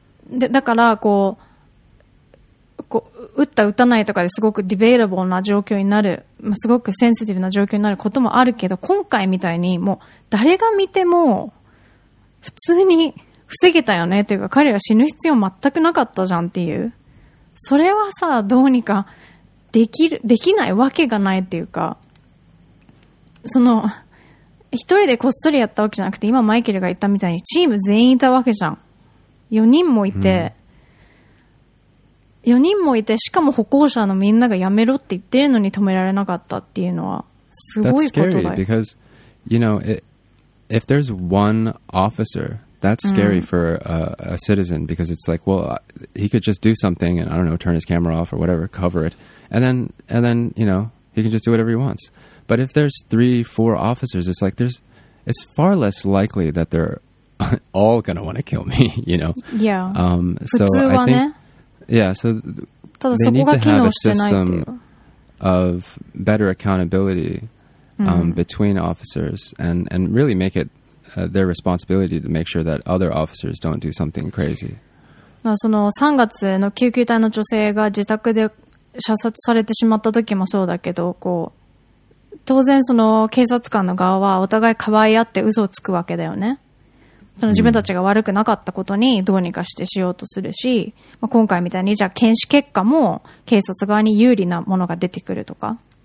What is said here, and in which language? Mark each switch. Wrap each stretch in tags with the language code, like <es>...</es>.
<ja>でだからこう打った打たないとかですごくディベイラブルな状況になる、まあ、すごくセンシティブな状況になることもあるけど、今回みたいにもう誰が見ても普通に防げたよねというか、彼ら死ぬ必要全くなかったじゃんっていう、それはさ、どうにかできないわけがないっていうか、その一人でこっそりやったわけじゃなくて、今マイケルが言ったみたいにチーム全員いたわけじゃん。 4人もいて、うん、4人もいて、しかも歩行者のみんながやめろって言ってるのに止められなかったっていうのはすごいことだよ。</ja> <en>That's scary because, you know, if there's one officer, that's scary、うん、for a citizen because it's like, well, he could just do something and, I don't know, turn his camera off or whatever, cover it, and then, you know, he can just do whatever he wants. But if there's 3-4 officers, it's like there's, it's far less likely that they're,all gonna want to kill me, you know. Yeah. So I think, yeah. So they need to have a system of better accountability、between officers and really make it、their responsibility to make sure that other officers don't do something crazy.</en> <ja>その3月の救急隊の女性が自宅で射殺されてしまった時もそうだけど、こう当然その警察官の側はお互いかばい合って嘘をつくわけだよね。その自分たちが悪くなかったことにどうにかしてしようとするし、まあ、今回みたいにじゃあ検視結果も警察側に有利なものが出てくるとか。</ja>